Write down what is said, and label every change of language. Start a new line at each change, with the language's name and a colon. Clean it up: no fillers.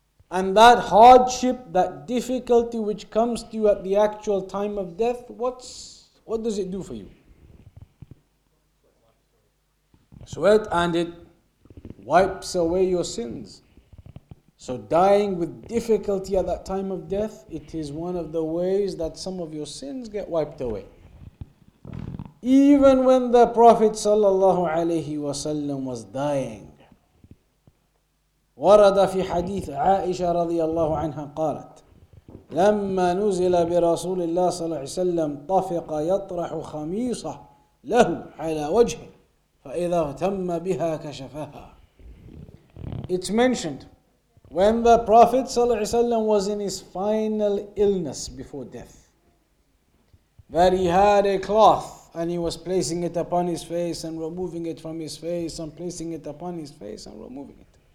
English: And that hardship, that difficulty which comes to you at the actual time of death, what does it do for you? Sweat, and it wipes away your sins. So dying with difficulty at that time of death, it is one of the ways that some of your sins get wiped away. Even when the Prophet sallallahu alayhi wa sallam was dying,
Arabic: ورد في حديث عائشة رضي الله عنها قالت لما نزل برسول الله صلى الله عليه وسلم طفق يطرح خميصة له على وجهه فإذا اغتم بها كشفها.
English: It's mentioned when the Prophet sallallahu alayhi wa sallam was in his final illness before death, that he had a cloth and he was placing it upon his face and removing it from his face and placing it upon his face and removing it.